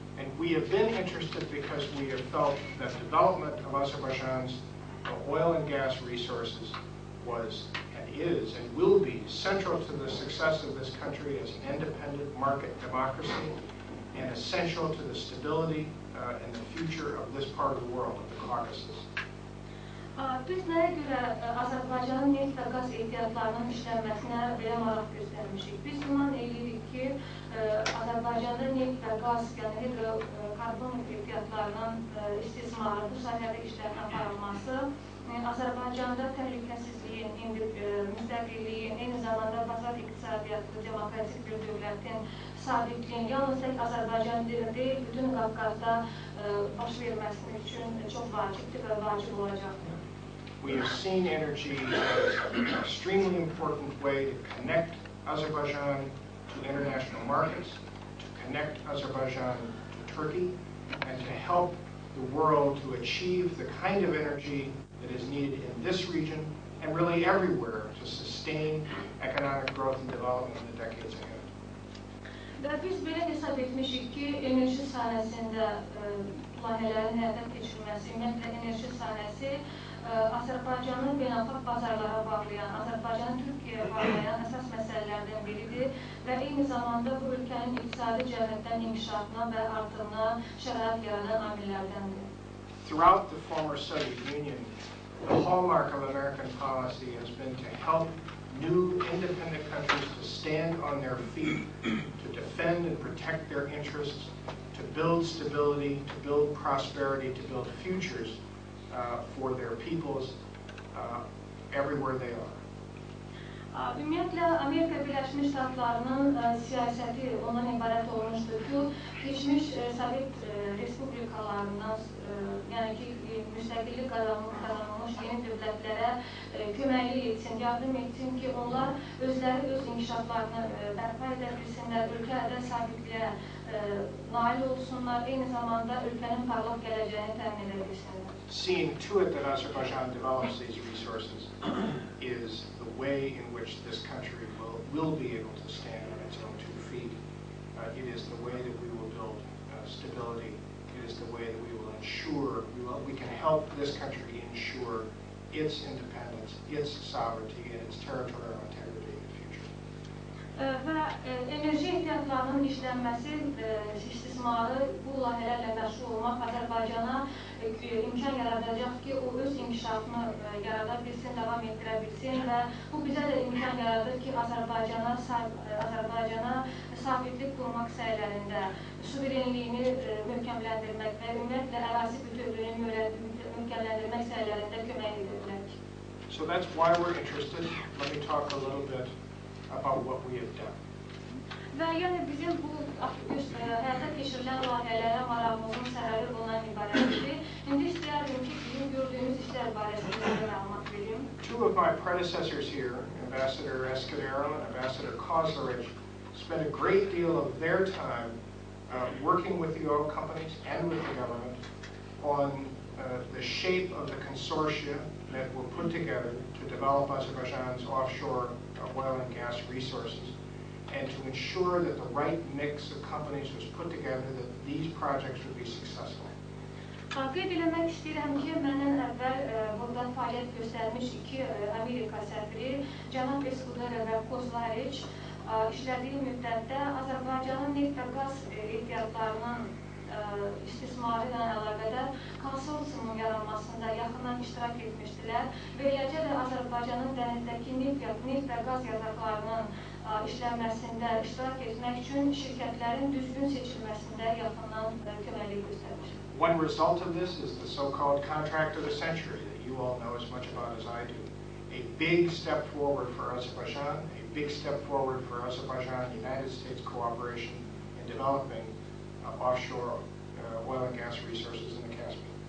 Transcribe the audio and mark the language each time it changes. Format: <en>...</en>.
<en>And we have been interested because we have felt that development of Azerbaijan's oil and gas resources was and is and will be central to the success of this country as an independent market democracy. And essential to the stability and the future of this part of the world, of the Caucasus.</en> <az>Biz nəyə görə Azərbaycanın neft və qaz ehtiyatlarının işlənməsinə belə maraq göstərmişik? Biz bundan eləyirik ki, Azərbaycanda neft və qaz, yəni hidrokarbon ehtiyatlarının istismarı, bu sahədə işlərin aparılması, Azərbaycanda təhlükəsizliyin, indi müstəqilliyin, eyni zamanda bazar iqtisadiyyatı, demokratik bir dövlətin sabitliyin, yalnız tək Azərbaycan deyil, bütün Qafqazda baş verməsi üçün çox vacibdir və vacib olacaqdır.</az> <en>We have seen energy as an extremely important way to connect Azerbaijan to international markets, to connect Azerbaijan to Turkey, and to help the world to achieve the kind of energy that is needed in this region and really everywhere to sustain economic growth and development in the decades ahead.</en> <az>Və biz belə hesab etmişik ki, enerji sahəsində layihələrin həyata keçirilməsi, ümumiyyətlə enerji sahəsi Azərbaycanın beynəlxalq bazarlara bağlayan, Azərbaycanı Türkiyəyə bağlayan əsas məsələlərdən biridir və eyni zamanda bu ölkənin iqtisadi cəhətdən inkişafına və artırına şərait yaradan amillərdəndir.</az> <en>Throughout the former Soviet Union, the hallmark of American policy has been to help new independent countries to stand on their feet, to defend and protect their interests, to build stability, to build prosperity, to build futures for their peoples everywhere they are.</en> <az>Ümumiyyətlə, Amerika Birləşmiş Ştatlarının siyasəti ondan ibarət olmuşdur ki, keçmiş Sovet Respublikalarından, yəni ki, müstəqillik qazanılmış yeni dövlətlərə köməkli etsin, yardım etsin ki, onlar özləri öz inkişaflarını bərpa edə bilsinlər, ölkədə sabitliyə nail olsunlar, eyni zamanda ölkənin parlaq gələcəyini təmin edə bilsinlər.</az> <en>Seeing to it that Azerbaijan develops these resources is the way in which this country will be able to stand on its own two feet. It is the way that we will build stability. is the way that we will ensure, we can help this country ensure its independence, its sovereignty, and its territorial integrity in the future.</en> <az>Və enerji ehtiyatlarının işlənməsi, istismarı bu layihələrlə məşğul olmaq Azərbaycana imkan yaradacaq ki, o öz inkişafını yarada bilsin, davam etdirə bilsin və bu bizə də imkan yaradır ki, Azərbaycana sabitlik qurmaq səylərində suverenliyini möhkəmləndirmək və ümumiyyətlə ərazi bütövlüyünü möhkəmləndirmək səylərində kömək edirlər.</az> <en>So that's why we're interested. Let me talk a little bit about what we have done.</en> <az>Və yəni bizim bu həyata keçirilən layihələrə marağımızın səhəri bundan ibarətdir. İndi istəyərdim ki, bizim gördüyümüz işlər barəsində məlumat verim.</az> <en>Two of my predecessors here, Ambassador Escudero and Ambassador Kozlerich, spent a great deal of their time working with the oil companies and with the government on the shape of the consortia that were put together to develop Azerbaijan's offshore oil and gas resources, and to ensure that the right mix of companies was put together, that these projects would be successful.</en> <az>Qeyd eləmək istəyirəm ki, məndən əvvəl burada fəaliyyət göstərmiş iki Amerika səfiri, cənab Escudero və Kozlerich, işlədiyi müddətdə Azərbaycanın neft və qaz ehtiyatlarının istismarı ilə əlaqədar konsorsiumun yaranmasında yaxından iştirak etmişdilər və eləcə də Azərbaycanın dənizdəki neft və qaz yataqlarının işlənməsində iştirak etmək üçün şirkətlərin düzgün seçilməsində yaxından köməkliyi göstərmişdilər.</az> <en>One result of this is the so-called contract of the century that you all know as much about as I do. A big step forward for Azerbaijan, a big step forward for Azerbaijan-United States cooperation in developing offshore oil and gas resources in the Caspian.</en>